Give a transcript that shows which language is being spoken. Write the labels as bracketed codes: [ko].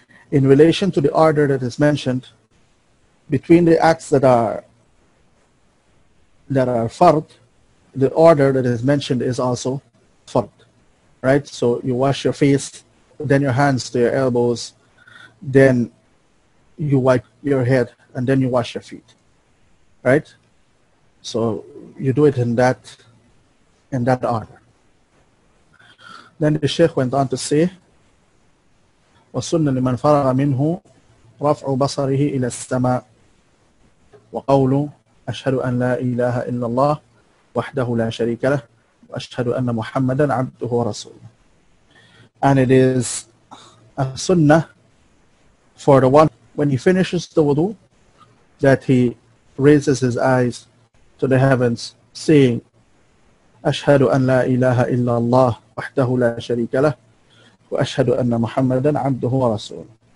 [en] In relation to the order that is mentioned, between the acts that are fard, the order that is mentioned is also fard, right? So you wash your face, then your hands to your elbows, then you wipe your head, and then you wash your feet, right? So you do it in that order. Then the Sheikh went on to say, [ar] وَسُنَّ لِمَنْ فَرَغَ مِنْهُ رَفْعُ بَصَرِهِ إِلَى السَّمَاءِ وَقَوْلُ أَشْهَدُ أَنْ لَا إِلَهَ إِلَّا اللَّهِ وَحْدَهُ لَا شَرِيكَ لَهِ وَأَشْهَدُ أَنَّ مُحَمَّدًا عَبْدُهُ وَرَسُولُهُ. [en] And it is a sunnah for the one, when he finishes the wudu, that he raises his eyes to the heavens, saying, [ar] أَشْهَدُ أَنْ لَا إِلَهَ إِلَّا اللَّهِ وَحْدَهُ لَا شَرِيكَ لَهِ وَأَشْهَدُ أَنَّ مُحَمَّدًا عَبْدُهُ وَرَسُولُهُ.